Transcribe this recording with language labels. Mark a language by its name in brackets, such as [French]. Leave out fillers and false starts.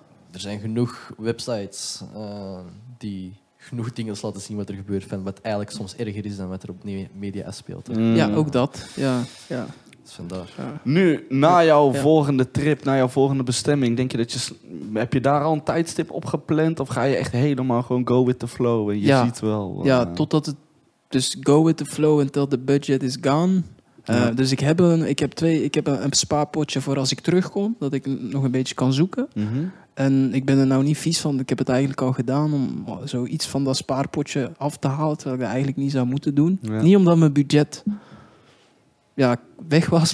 [Dutch] Er zijn genoeg websites die genoeg dingen laten zien wat er gebeurt, van wat eigenlijk soms erger is dan wat er op media speelt. Ja, ook dat. Ja. Ja. Dus vandaar. Ja. Nu, na jouw volgende trip, na jouw volgende bestemming, denk je dat je... Heb je daar al een tijdstip op gepland? Of ga je echt helemaal gewoon [English] go with the flow? [Dutch] En je ziet wel... Ja, totdat het... Dus [English] go with the flow until the budget is gone. [Dutch] Dus ik heb een spaarpotje voor als ik terugkom, dat ik nog een beetje kan zoeken. Mm-hmm. En ik ben er nou niet vies van. Ik heb het eigenlijk al gedaan om zoiets van dat spaarpotje af te halen. Terwijl ik dat eigenlijk niet zou moeten doen. Ja. Niet omdat mijn budget weg was.